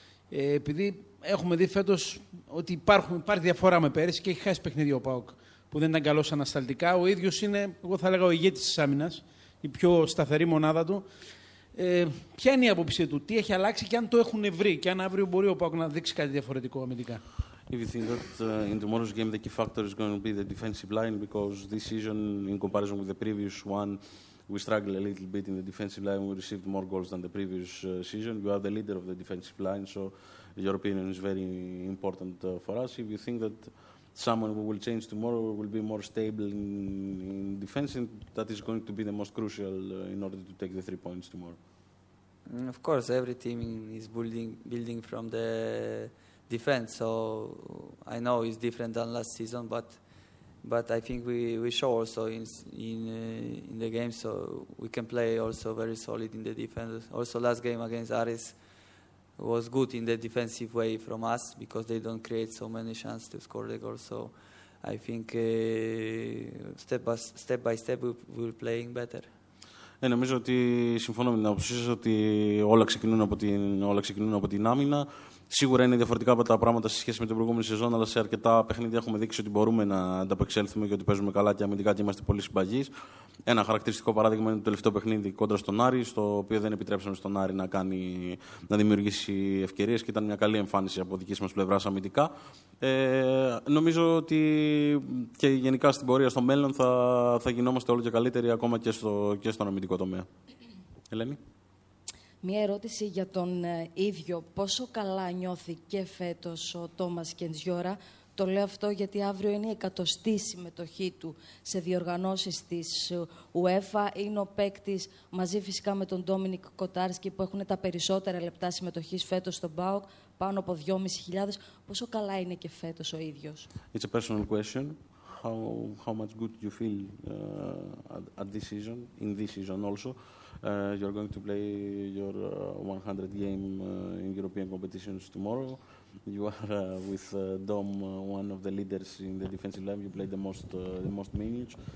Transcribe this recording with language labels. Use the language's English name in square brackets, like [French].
[Greek] Επειδή έχουμε δει φέτος ότι υπάρχει διαφορά με πέρυσι και έχει χάσει παιχνίδι ο ΠΑΟΚ που δεν ήταν καλός ανασταλτικά. Ο ίδιος είναι, εγώ θα έλεγα, ο ηγέτης της άμυνας, η πιο σταθερή μονάδα του. Ποια είναι η άποψή του, τι έχει αλλάξει και αν το έχουν βρει και αν αύριο μπορεί ο ΠΑΟΚ να δείξει κάτι διαφορετικό αμυντικά. [English] If you think that in tomorrow's game the key factor is going to be the defensive line, because this season in comparison with the previous one we struggled a little bit in the defensive line, we received more goals than the previous season. You are the leader of the defensive line, so your opinion is very important for us. If you think that someone who will change tomorrow will be more stable in defense, and that is going to be the most crucial in order to take the 3 points tomorrow. Of course, every team is building from the defense, so I know it's different than last season, but But I think we show also in the game, so we can play also very solid in the defense. Also, last game against Aris was good in the defensive way from us because they don't create so many chances to score the goal. So I think step by step we're playing better. [Greek] Νομίζω ότι συμφωνώ με την άποψή σας ότι όλα ξεκινούν από την άμυνα. Σίγουρα είναι διαφορετικά από τα πράγματα σε σχέση με την προηγούμενη σεζόν, αλλά σε αρκετά παιχνίδια έχουμε δείξει ότι μπορούμε να ανταπεξέλθουμε και ότι παίζουμε καλά και αμυντικά και είμαστε πολύ συμπαγείς. Ένα χαρακτηριστικό παράδειγμα είναι το τελευταίο παιχνίδι κόντρα στον Άρη, στο οποίο δεν επιτρέψαμε στον Άρη να δημιουργήσει ευκαιρίες και ήταν μια καλή εμφάνιση από δική μας πλευρά αμυντικά. Νομίζω ότι και γενικά στην πορεία στο μέλλον θα γινόμαστε όλο και καλύτεροι ακόμα και στον αμυντικό τομέα. Ελένη. Μία ερώτηση για τον ίδιο. Πόσο καλά νιώθει και φέτος ο Τόμας Κεντζιόρα? Το λέω αυτό γιατί αύριο είναι η 100η συμμετοχή του σε διοργανώσεις της UEFA. Είναι ο παίκτης μαζί φυσικά με τον Ντόμινικ Κοτάρσκι που έχουν τα περισσότερα λεπτά συμμετοχής φέτος στον ΠΑΟΚ, πάνω από 2.500. Πόσο καλά είναι και φέτος ο ίδιος? [English] It's a personal question. How much good you feel at this season, in this season also? You're going to play your 100th game in European competitions tomorrow. You are with Dom, one of the leaders in the defensive line. You played the most minutes.